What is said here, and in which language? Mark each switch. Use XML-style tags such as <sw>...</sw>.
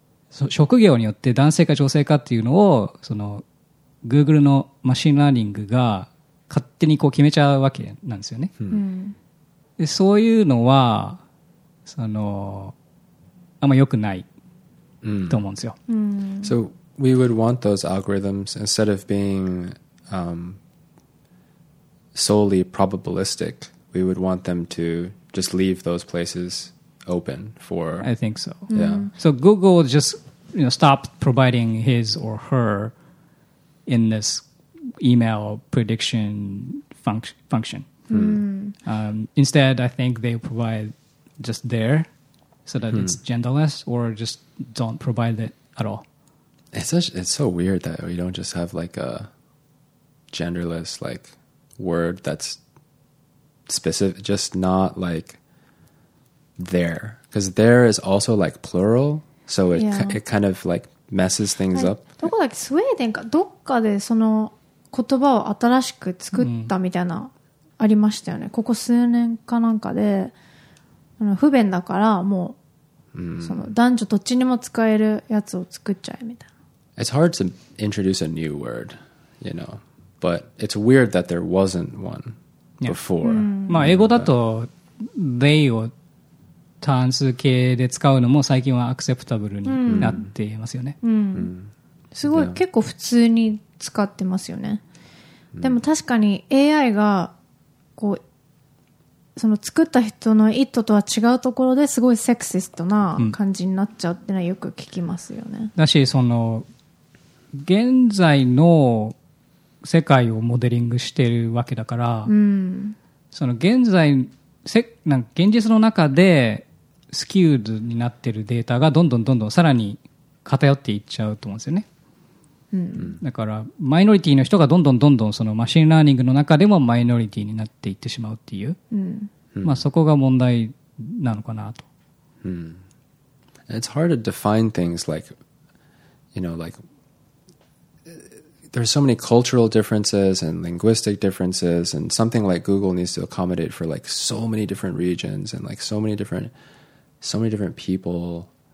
<ja>職業によって男性か女性かっていうのをその Google のマシンラーニングが勝手にこう決めちゃうわけなんですよね、うん、でそういうのはそのあんま良くないと思うんですよ、うん、</ja> <en>So we would want those algorithms instead of being solely probabilistic, we would want them to just leave those places open for. I think so. Yeah. So Google just, you know, stopped providing his or her in this email prediction function. Instead, I think they provide just there so that it's genderless or just don't provide it at all. It's so weird that we don't just have like a genderless, like. Word that's specific, just not like there, because there is also like plural, so it、yeah. it kind of like messes things、はい、up.</en> <ja>どこだっけ、スウェーデンかどっかでその言葉を新しく作ったみたいな、ありましたよね。ここ数年かなんかで不便だからもう、その男女どっちにも使えるやつを作っちゃえみたいな。</ja> <en>It's hard to introduce a new word, you know. But it's weird that there wasn't one before.</en> <ja>まあ英語だと they を単数形で使うのも最近はアクセプタブルになっていますよね。すごい、結構普通に使ってますよね。でも確かに AI がこうその作った人の意図とは違うところですごいセクシストな感じになっちゃうっていうのはよく聞きますよね。だしその現在の世界をモデリングしてるわけだから、その現在なんか現実の中でスキューズになってるデータがどんどんどんどんさらに偏っていっちゃうと思うんですよね、だからマイノリティの人がどんどんどんどんそのマシンラーニングの中でもマイノリティになっていってしまうっていう、まあそこが問題なのかなと、</ja> <en>It's hard to define things like you know like there's so many cultural differences and linguistic differences, and something like Google needs to accommodate for like so many different regions and like so many different people.</en>